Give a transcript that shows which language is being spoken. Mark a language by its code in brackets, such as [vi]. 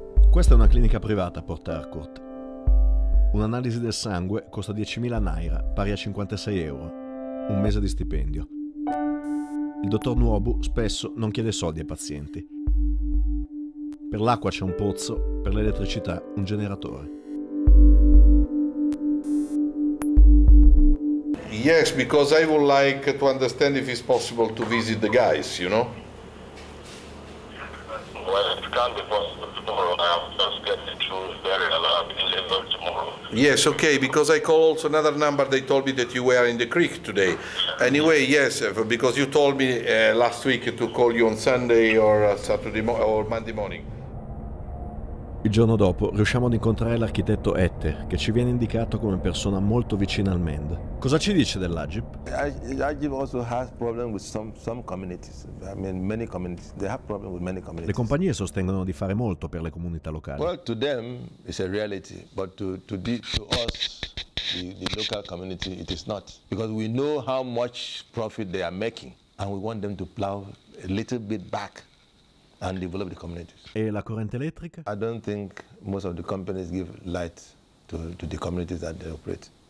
[it] Questa è una clinica privata a Port Harcourt. Un'analisi del sangue costa 10.000 naira, pari a 56 euro, un mese di stipendio. Il dottor Nuobu spesso non chiede soldi ai pazienti. Per l'acqua c'è un pozzo, per l'elettricità un generatore. [en] Yes, because I would like to understand if it's possible to visit the guys, you know? Well, it can't be possible tomorrow. I am just getting through very alarming labor tomorrow. Yes, okay, because I call also another number. They told me that you were in the creek today. Anyway, yes, because you told me last week to call you on Sunday or Saturday or Monday morning. [it] Il giorno dopo riusciamo ad incontrare l'architetto Etter, che ci viene indicato come persona molto vicina al MEND. Cosa ci dice dell'AGIP? [en] L'AGIP also has problem with some communities. I mean many communities. They have problem with many communities. [it] Le compagnie sostengono di fare molto per le comunità locali. [en] Well, to them it's a reality, but to us the local community it is not, because we know how much profit they are making and we want them to plow a little bit back. And develop the communities. [it] E la corrente elettrica? [en] I don't think most of the companies give light to the communities that they operate.